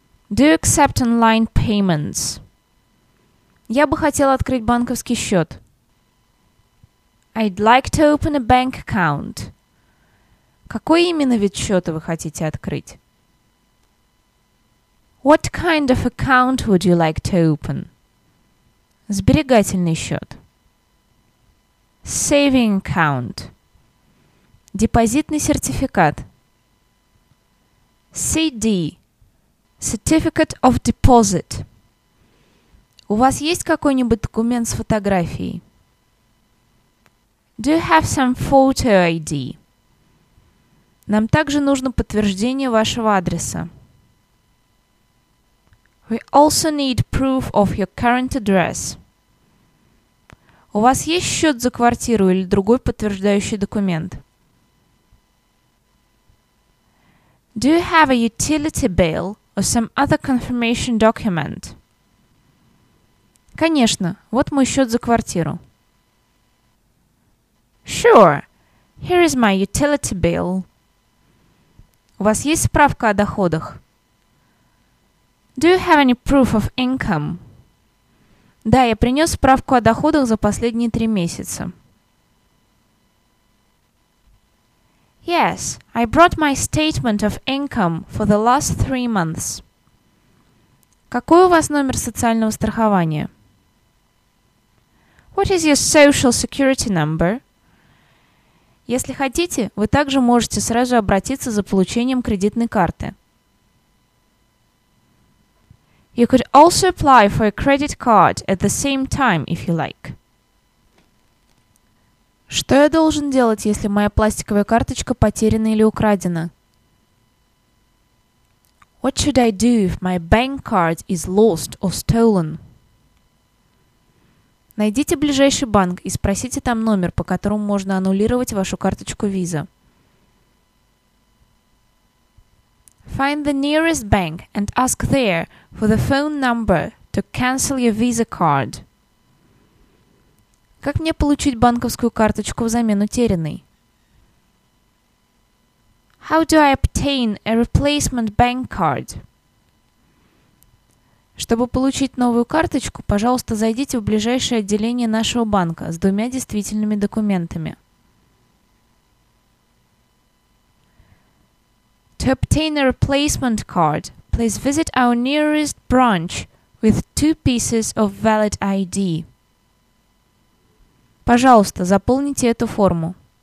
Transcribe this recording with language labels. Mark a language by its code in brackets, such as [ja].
[en] Do you accept online payments? [ru] Я бы хотел открыть банковский счет. [en] I'd like to open a bank account. [ru] Какой именно вид счета вы хотите открыть? [en] What kind of account would you like to open? [ru] Сберегательный счет. [en] Saving account. [ru] Депозитный сертификат. [en] CD. Certificate of deposit. [ru] У вас есть какой-нибудь документ с фотографией? [en] Do you have some photo ID? [ru] Нам также нужно подтверждение вашего адреса. [en] We also need proof of your current address. [ru] У вас есть счет за квартиру или другой подтверждающий документ? [en] Do you have a utility bill or some other confirmation document? [ru] Конечно, вот мой счет за квартиру. [en] Sure, here is my utility bill. [ru] У вас есть справка о доходах? [en] Do you have any proof of income? [ru] Да, я принес справку о доходах за последние 3 месяца. [en] Yes, I brought my statement of income for the last 3 months. [ru] Какой у вас номер социального страхования? [en] What is your social security number? [ru] Если хотите, вы также можете сразу обратиться за получением кредитной карты. [en] You could also apply for a credit card at the same time if you like. [ru] Что я должен делать, если моя пластиковая карточка потеряна или украдена? [en] What should I do if my bank card is lost or stolen? [ru] Найдите ближайший банк и спросите там номер, по которому можно аннулировать вашу карточку Visa. [en] Find the nearest bank and ask there for the phone number to cancel your Visa card. [ru] Как мне получить банковскую карточку взамен утерянной? [en] How do I obtain a replacement bank card? [ru] Чтобы получить новую карточку, пожалуйста, зайдите в ближайшее отделение нашего банка с двумя действительными документами. [en] To obtain a replacement card, please visit our nearest branch with two pieces of valid ID. [ru] Пожалуйста, заполните эту форму.